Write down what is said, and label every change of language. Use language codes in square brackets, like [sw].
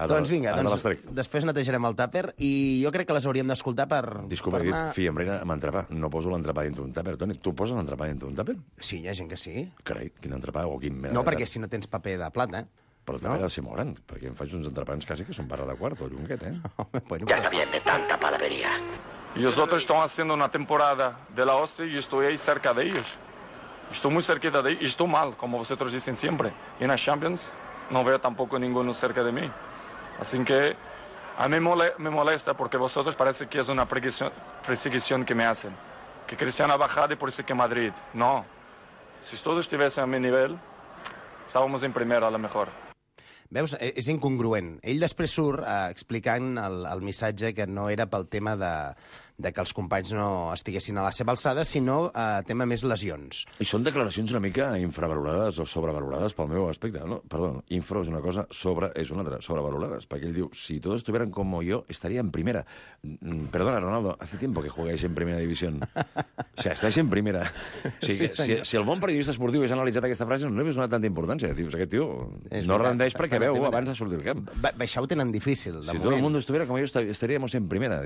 [ca] Doncs vinga, després netejarem el tàper i jo crec que les hauríem d'escoltar per... Disculpa, he dit fria amb l'entrepà. No poso l'entrepà dintre un tàper, Toni. Tu poses l'entrepà dintre un tàper? Sí, hi ha gent que sí. Carai, quin entrepà o quin... No, perquè si no tens paper de plata... Però també ha de ser molt gran, perquè em faig uns entrepans quasi que són barra de quart o llunguet, [es] Ja està bien de tanta palabrería. Y nosotros estamos haciendo una temporada de la hostia y estoy ahí cerca de ellos. Estoy muy cerquita de ellos y estoy mal, como vosotros dicen siempre. Y en las Champions no veo tampoco ninguno cerca de mí. Así que a mí me molesta porque vosotros parece que es una persecución que me hacen. Que Cristiano ha bajado y por eso que Madrid. No. Si todos estuviesen a mi nivel, estábamos en primera a lo mejor. [ca] Veus? És incongruent. Ell després surt explicant el missatge que no era pel tema de que els companys no estiguessin a la seva alçada, sinó tema més lesions. I són declaracions una mica infravalorades o sobrevalorades pel meu aspecte, no? Perdó, infra és una cosa, sobre és una altra, sobrevalorades, perquè ell diu, [es] si todos estuvieran como yo, estaría en primera. Perdona, Ronaldo, hace tiempo que jugáis en primera división. O sea, estáis en primera. [ca] Si el bon periodista esportiu hagués analitzat aquesta frase, no li hauria donat tanta importància. Dius, aquest tio no rendeix perquè veu abans de sortir el camp. Això ho tenen difícil, de moment. [es] Si todo el mundo estuviera como yo, estaríamos en primera.